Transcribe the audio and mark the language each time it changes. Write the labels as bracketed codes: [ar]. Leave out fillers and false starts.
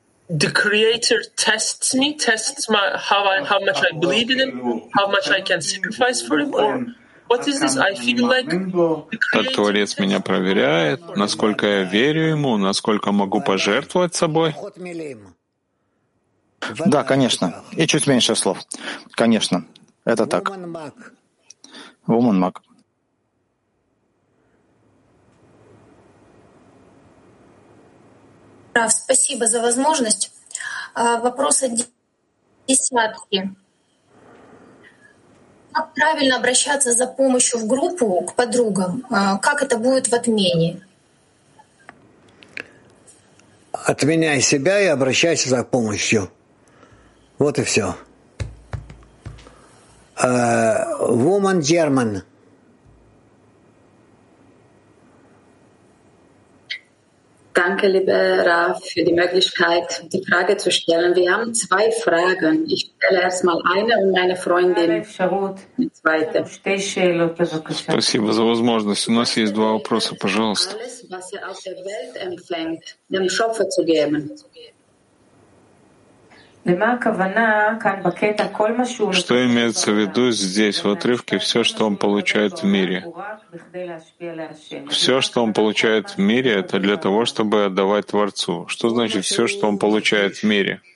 [en] The Creator tests me, tests my how much I believe in Him, how much I can sacrifice for Him, or what is this? I feel like the Creator. [ru] Так Творец меня проверяет, насколько я верю Ему, насколько могу пожертвовать собой. Да, конечно, и чуть меньше слов. Конечно, это так. Woman Mag. Спасибо за возможность. Вопрос от десятки. Как правильно обращаться за помощью в группу к подругам? Как это будет в отмене? Отменяй себя и обращайся за помощью. Вот и все. [en] Woman German. [de] Danke, lieber Raf, für die Möglichkeit, die Frage zu stellen. Wir haben zwei Fragen. Ich stelle erst mal eine und meine Freundin die zweite. [ru] Спасибо за возможность. У нас есть два вопроса, пожалуйста. [de] Alles, was er aus der Welt empfängt, dem Schöpfer zu geben. [ru] Что имеется в виду здесь, в отрывке, все, что он получает в мире? Все, что он получает в мире, это для того, чтобы отдавать Творцу. Что значит все, что он получает в мире?